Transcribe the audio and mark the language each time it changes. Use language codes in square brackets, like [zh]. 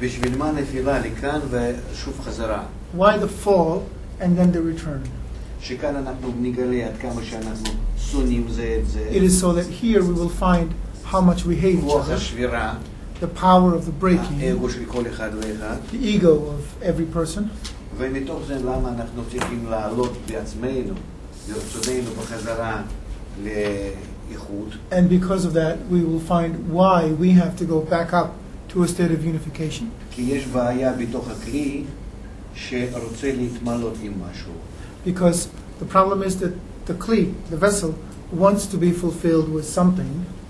[he] בשביל מה נפילה לכאן ושוב חזרה? [en] Why the fall and then the return? [he] שכאן אנחנו נגלה עד כמה שאנחנו שונאים זה את זה. [en] It is so that here we will find how much we hate each other. [he] השבירה. [en] The power of the breaking. [he] האגו של כל אחד ואחד. [en] The ego of every person. [he] ומתוך זה למה אנחנו צריכים לעלות בעצמנו, לרצוננו בחזרה ל... [en] And because of that, we will find why we have to go back up to a state of unification. Because the problem is that the kli, the vessel, wants to be fulfilled with something.